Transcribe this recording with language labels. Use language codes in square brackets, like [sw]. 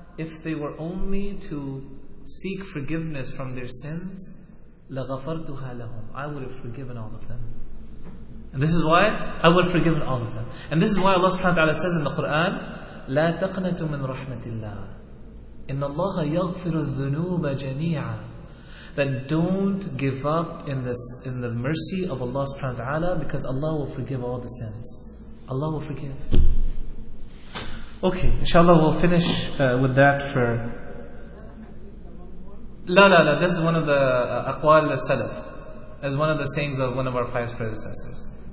[en] If they were only to seek forgiveness from their sins, [ar] لَغَفَرْتُهَا لَهُمْ. [en] I would have forgiven all of them. And this is why I would have forgiven all of them. And this is why Allah subhanahu wa ta'ala says in the Quran, [ar] لَا تَقْنَتُ مِنْ رَحْمَةِ اللَّهِ. إن الله يغفر الذنوب جميعا. [en] Then don't give up in the mercy of Allah subhanahu wa ta'ala, because Allah will forgive all the sins. Allah will forgive. Okay, inshallah we'll finish with that for. No. This is one of the [ar] aqwal al-salaf, [en] as one of the sayings of one of our pious predecessors.